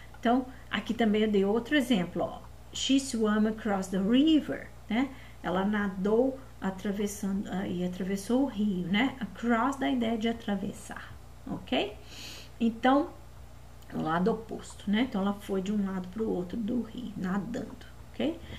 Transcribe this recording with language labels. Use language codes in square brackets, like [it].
[pt] Então, aqui também eu dei outro exemplo, ó. [en] She swam across the river, né? [pt] Ela nadou atravessando e atravessou o rio, né? Across, da ideia de atravessar, ok? Então, lado oposto, né? Então, ela foi de um lado para o outro do rio, nadando, ok?